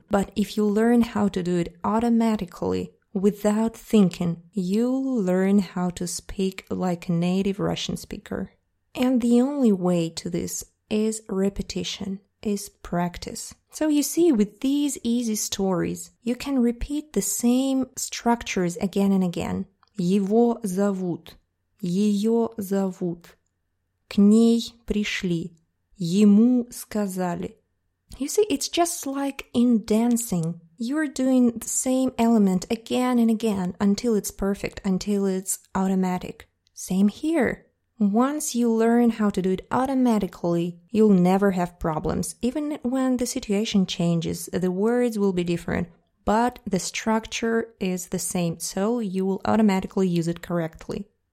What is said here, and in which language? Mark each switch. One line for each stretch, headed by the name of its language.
English: But if you learn how to do it automatically, without thinking, you'll learn how to speak like a native Russian speaker. And the only way to this is repetition, is practice. So you see, with these easy stories, you can repeat the same structures again and again.
Russian: Его зовут, ее зовут. К ней пришли, ему сказали.
English: You see, it's just like in dancing. You're doing the same element again and again until it's perfect, until it's automatic. Same here. Once you learn how to do it automatically, you'll never have problems. Even when the situation changes, the words will be different, but the structure is the same, so you will automatically use it correctly.